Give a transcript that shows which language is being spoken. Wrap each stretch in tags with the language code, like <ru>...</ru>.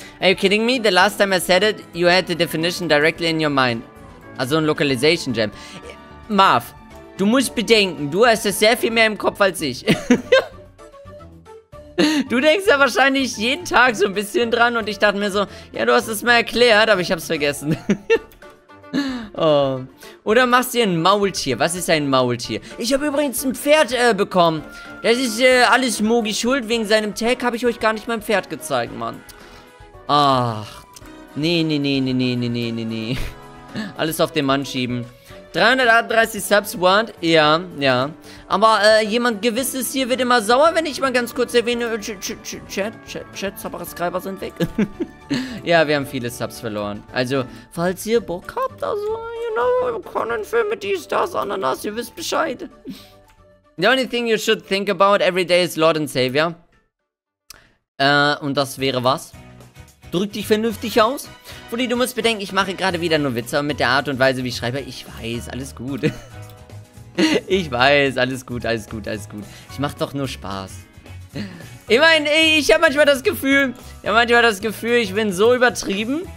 <en>Are you kidding me? The last time I said it, you had the definition directly in your mind.</en> <de>Also ein Localization Jam. Marv, du musst bedenken, du hast es sehr viel mehr im Kopf als ich. Du denkst ja wahrscheinlich jeden Tag so ein bisschen dran und ich dachte mir so, ja, du hast es mal erklärt, aber ich hab's vergessen. Oh. Oder machst du ein Maultier? Was ist ein Maultier? Ich habe übrigens ein Pferd bekommen. Das ist alles Mogi schuld. Wegen seinem Tag habe ich euch gar nicht mein Pferd gezeigt, Mann. Ach. Nee. Alles auf den Mann schieben. 338 Subs want. Ja, ja. Aber jemand Gewisses hier wird immer sauer, wenn ich mal ganz kurz erwähne. Chat, Subscriber sind weg. Ja, wir haben viele Subs verloren. Also, falls ihr Bock habt, also,</de> <en>you know,</en> <de>können Filme, die Stars, Ananas, ihr wisst Bescheid.</de> <en>The only thing you should think about every day is Lord and Savior.</en> <de>Und das wäre was? Drück dich vernünftig aus. Fully, du musst bedenken, ich mache gerade wieder nur Witze mit der Art und Weise, wie ich schreibe. Ich weiß, alles gut. Ich weiß, alles gut. Ich mache doch nur Spaß. Immerhin, ey, ich habe manchmal das Gefühl, ich bin so übertrieben.</de>